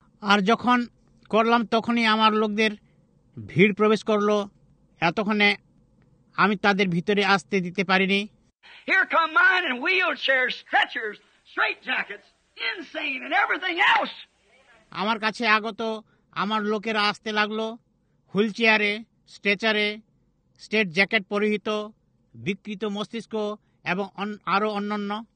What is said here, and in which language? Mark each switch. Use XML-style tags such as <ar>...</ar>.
<bn>আর যখন করলাম তখনই আমার লোকদের ভিড় প্রবেশ করল এতক্ষণে আমি তাদের ভিতরে আসতে দিতে পারিনি।</bn> <en>Here come mine and wheelchairs, stretchers, straight jackets, insane and everything else.</en> <bn>আমার কাছে আগত আমার লোকেরা আসতে লাগলো হুইলচেয়ারে স্ট্রেচারে স্ট্রেট জ্যাকেট পরিহিত বিকৃত মস্তিষ্ক এবং আরো অন্যান্য।</bn>